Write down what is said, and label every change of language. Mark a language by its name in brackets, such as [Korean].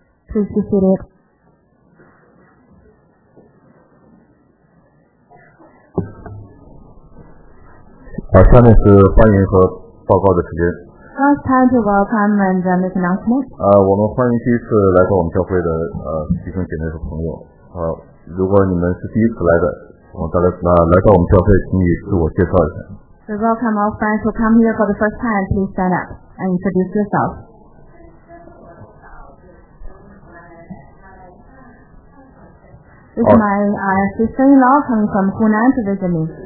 [English] Please be seated. Now it's time to welcome and make announcement. [Chinese] 我们欢迎第一次来到我们教会的 弟兄姐妹的朋友。如果你们是第一次来的，我们大家来到我们教会， 请你自我介绍一下。 [English] We welcome all friends who come here for the first time. Please stand up and introduce yourself. 好。This is my sister-in-law coming from Hunan to visit me.